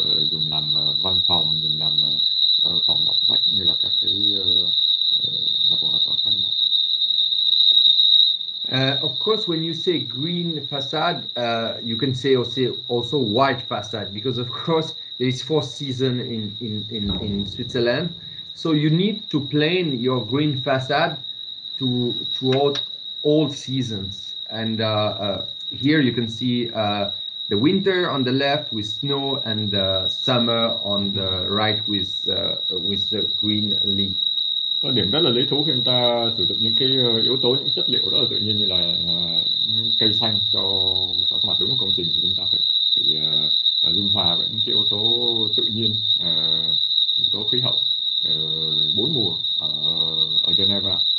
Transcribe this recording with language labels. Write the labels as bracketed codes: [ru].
[vi] Dùng làm văn phòng, dùng làm phòng đọc sách như là các cái laboratory khác nhau. [en] Of course, when you say green facade, you can say also white facade, because of course there is four seasons in Switzerland, so you need to plan your green facade to throughout all seasons. And here you can see the winter on the left with snow and the summer on the right with the green leaf. [vi] Có điểm rất là lý thú khi chúng ta sử dụng những cái yếu tố, những chất liệu đó là tự nhiên như là cây xanh cho mặt đúng của công trình, thì chúng ta phải dung hòa với những cái yếu tố tự nhiên, yếu tố khí hậu bốn mùa ở Geneva.